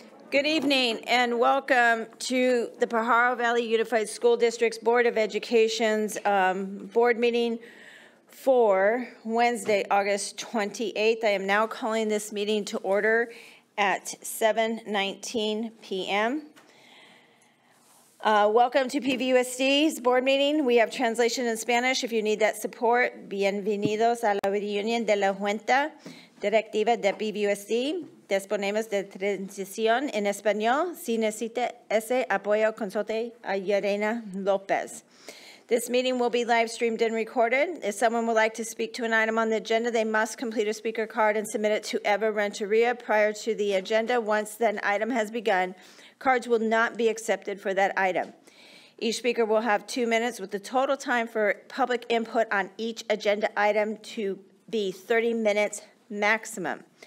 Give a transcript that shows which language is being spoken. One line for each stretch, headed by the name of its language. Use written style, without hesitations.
English: Good evening and welcome to the Pajaro Valley Unified School District's Board of Education's board meeting for Wednesday, August 28th. I am now calling this meeting to order at 7:19 p.m. Welcome to PVUSD's board meeting. We have translation in Spanish if you need that support.
Spanish: Bienvenidos a la reunión de la Junta Directiva de PVUSD. Disponemos de transición en español. Si necesita ese apoyo, consulte a Yarena López.
English: This meeting will be live streamed and recorded. If someone would like to speak to an item on the agenda, they must complete a speaker card and submit it to Eva Renteria prior to the agenda. Once that item has begun, cards will not be accepted for that item. Each speaker will have 2 minutes with the total time for public input on each agenda item to be 30 minutes maximum.